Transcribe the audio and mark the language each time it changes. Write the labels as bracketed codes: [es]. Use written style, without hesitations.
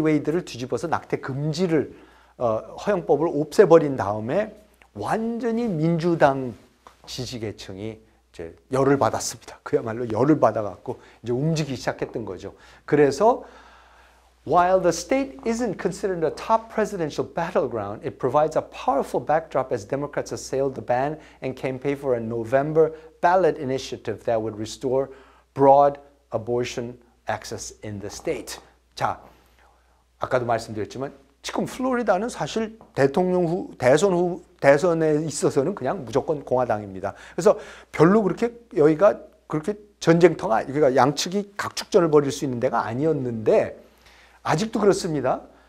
[ko] Wade를 뒤집어서 낙태 금지를 허용법을 없애버린 다음에 완전히 민주당 지지계층이 이제 열을 받았습니다. 그야말로 열을 받아갖고 이제 움직이기 시작했던 거죠. 그래서 [en] While the state isn't considered a top presidential battleground, it provides a powerful backdrop as Democrats assail the ban and campaign for a November ballot initiative that would restore broad abortion access in the state. [ko] 자, 아까도 말씀드렸지만 지금 플로리다는 사실 대통령 후 대선 후 대선에 있어서는 그냥 무조건 공화당입니다. 그래서 별로 그렇게 여기가 그렇게 전쟁터가 그러니까 양측이 각축전을 벌일 수 있는 데가 아니었는데 아직도 그렇습니다.